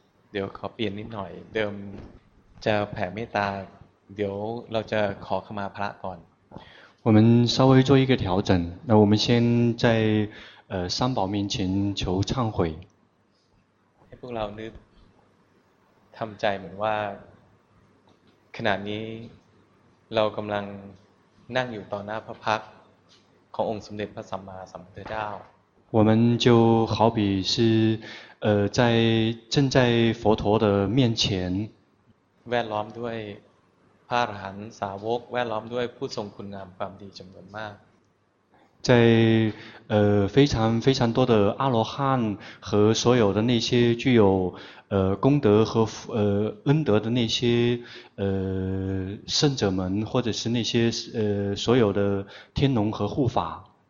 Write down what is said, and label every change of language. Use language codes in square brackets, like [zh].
[th] ปลี่ยนนิดหน่อยเดิมจะแผ่เมตตาเดี๋ยวเราจะขอขมาพระก่อน [zh] 我们稍微做一个调整那我们先在三宝面前求忏悔 [th] ให้พวกเรานึกทำใจเหมือนว่าขณะนี้เรากำลังนั่งอยู่ต่อหน้าพระพักขององค์สมเด็จพระสัมมาสัมพุทธเจ้า [zh] 我们就好比是在正在佛陀的面前 [th] แวดล้อมด้วยพระอรหันต์สาวกแวดล้อมด้วยผู้ทรงคุณงามความดีจำนวนมาก [zh] 在非常非常多的阿罗汉和所有的那些具有功德和恩德的那些圣者们或者是那些所有的天龙和护法